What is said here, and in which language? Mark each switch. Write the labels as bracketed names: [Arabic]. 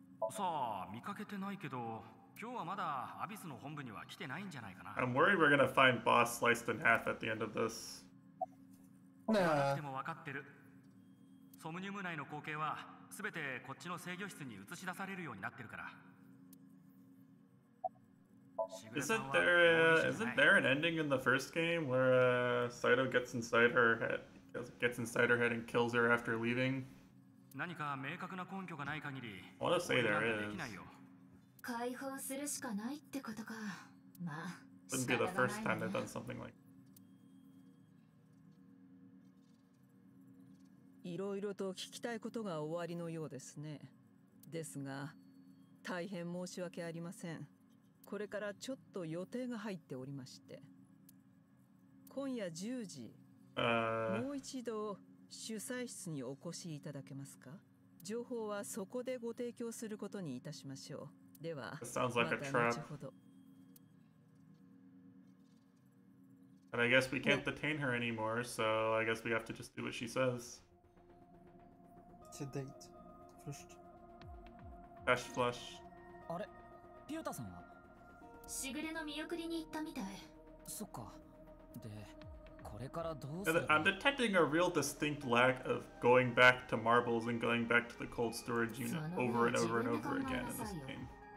[Japanese] さあ、見かけてないけど、今日はまだアビスの本部には来てないんじゃないかな。 [English] I'm worried we're gonna find boss sliced in half at the end of this. [Japanese] でも分かってる。ソムニウム内の光景は、すべてこっちの制御室に映し出されるようになってるから。 [English] Isn't there an ending in the first game where Saito gets inside her head and kills her after leaving? [Japanese] 何か明確な根拠がない限り、俺なんてできないよ。解放するしかないってことか。まあ、仕方がないね。いろいろと聞きたいことが終わりのようですね。ですが、大変申し訳ありません。これからちょっと予定が入っておりまして。今夜10時、もう一度、主催室にお越しいただけますか？情報はそこでご提供することにいたしましょう。では、また後ほど。 [English] And I guess we can't detain her anymore, so I guess we have to just do what she says. It's a date. Flushed. Cash flush. [Japanese] あれ、ピュータさんは？シグレの見送りに行ったみたい。そっか。で。これからどうする? [English] I'm detecting a real distinct lack of going back to marbles and going back to the cold storage unit over and over and over again in this game.